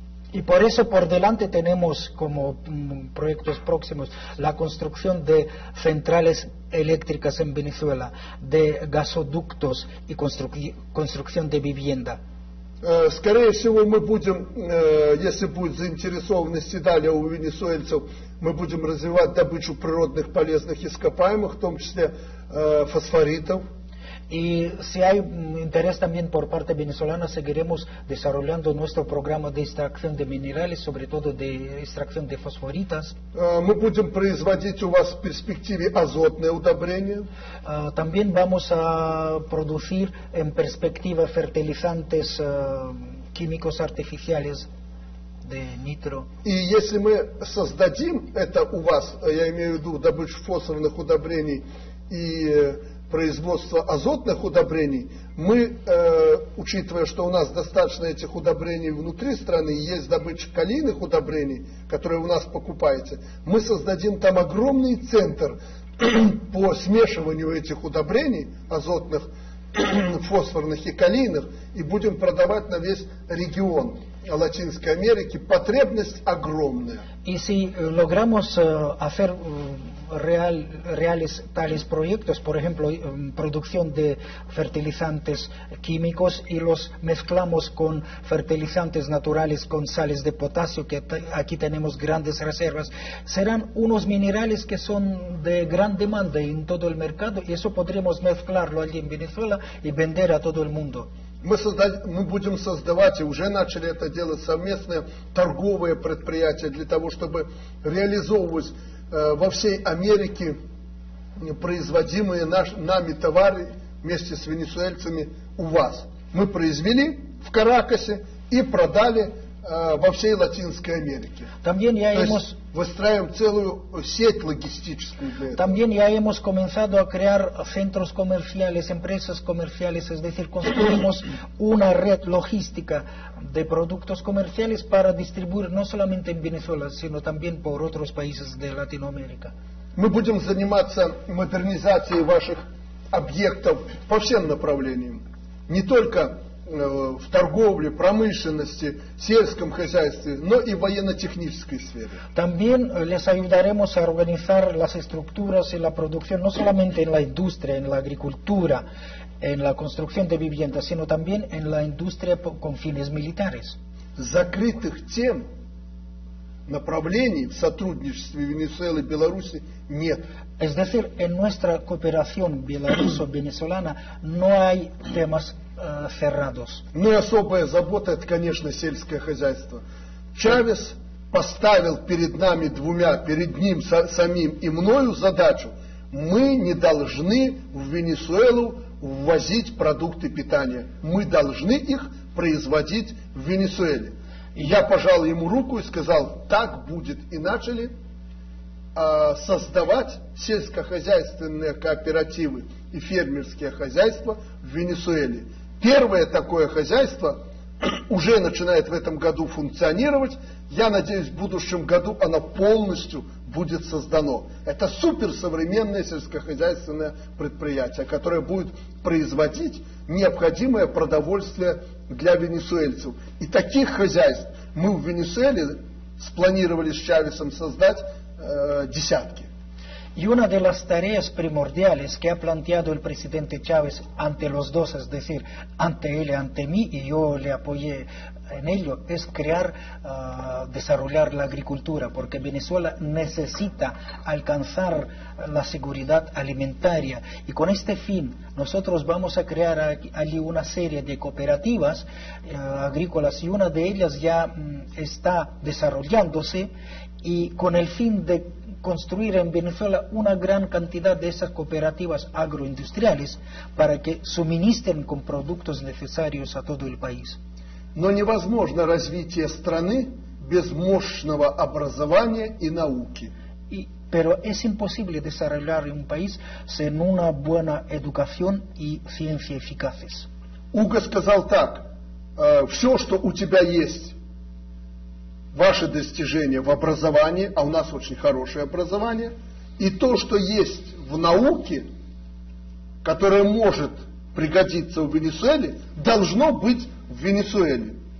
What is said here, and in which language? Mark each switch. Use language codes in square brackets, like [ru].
[es] Y por eso por delante tenemos como proyectos próximos la construcción de centrales eléctricas en Venezuela, de gasoductos y construcción de vivienda. [ru] Скорее всего, мы будем, если будет заинтересованность и далее у венесуэльцев, мы будем развивать добычу природных полезных ископаемых, в том числе фосфоритов. [es] Y si hay interés también por parte venezolana, seguiremos desarrollando nuestro programa de extracción de minerales, sobre todo de extracción de fosforitas. [ru] Мы будем производить у вас в перспективе азотное удобрение. [es] También vamos a producir en perspectiva fertilizantes químicos artificiales de nitro. [ru] И если мы создадим это у вас, я имею в виду добычу фосфорных удобрений и производство азотных удобрений, мы, учитывая, что у нас достаточно этих удобрений внутри страны, есть добыча калийных удобрений, которые у нас покупаете, мы создадим там огромный центр по смешиванию этих удобрений, азотных, фосфорных и калийных, и будем продавать на весь регион Латинской Америки. Потребность огромная. Если [es] logramos hacer reales tales proyectos, por ejemplo, producción de fertilizantes químicos y los mezclamos con fertilizantes naturales, con sales de potasio, que aquí tenemos grandes reservas, serán unos minerales que son de gran demanda en todo el mercado y eso podremos mezclarlo allí en Venezuela y vender a todo el mundo. [ru] Мы будем создавать, и уже начали это делать, совместные торговые предприятия для того, чтобы реализовывать во всей Америке производимые нами товары вместе с венесуэльцами у вас. Мы произвели в Каракасе и продали во всей Латинской Америке. Выстраиваем целую сеть логистическую для этого. [es] También ya hemos comenzado a crear centros comerciales, empresas comerciales, es decir, construimos una red logística de productos comerciales para distribuir no solamente en Venezuela, sino también por otros países de Latinoamérica. [ru] Мы будем заниматься модернизацией ваших объектов по всем направлениям, не только в торговле, промышленности, сельском хозяйстве, но и в военно-технической сфере. [es] También les ayudaremos a organizar las estructuras y la producción no solamente en la industria, en la agricultura, en la construcción de viviendas, sino también en la industria con fines militares. [ru] Закрытых тем направлений в сотрудничестве Венесуэлы и Беларуси нет. [es] Es decir, en nuestra cooperación bielorruso-venezolana no hay temas cerrados. [ru] Ну и особая забота, это, конечно, сельское хозяйство. Чавес поставил перед нами двумя, перед ним самим и мною задачу. Мы не должны в Венесуэлу ввозить продукты питания. Мы должны их производить в Венесуэле. Я пожал ему руку и сказал, так будет. И начали создавать сельскохозяйственные кооперативы и фермерские хозяйства в Венесуэле. Первое такое хозяйство уже начинает в этом году функционировать. Я надеюсь, в будущем году оно полностью будет создано. Это суперсовременное сельскохозяйственное предприятие, которое будет производить необходимое продовольствие для венесуэльцев. И таких хозяйств мы в Венесуэле спланировали с Чавесом создать десятки. [es] Y una de las tareas primordiales que ha planteado el presidente Chávez ante los dos, es decir, ante él y ante mí, y yo le apoyé en ello, es crear, desarrollar la agricultura, porque Venezuela necesita alcanzar la seguridad alimentaria. Y con este fin, nosotros vamos a crear allí una serie de cooperativas agrícolas, y una de ellas ya está desarrollándose, y con el fin de construir en Venezuela una gran cantidad de esas cooperativas agroindustriales para que suministren con productos necesarios a todo el país. [ru] Но невозможно развитие страны без мощного образования и науки. [es] Pero es imposible desarrollar un país sin una buena educación y ciencia eficaces. [ru] Уго сказал так: все, что у тебя есть, ваши достижения в образовании, а у нас очень хорошее образование, и то, что есть в науке, которое может пригодиться в Венесуэле, должно быть в Венесуэле.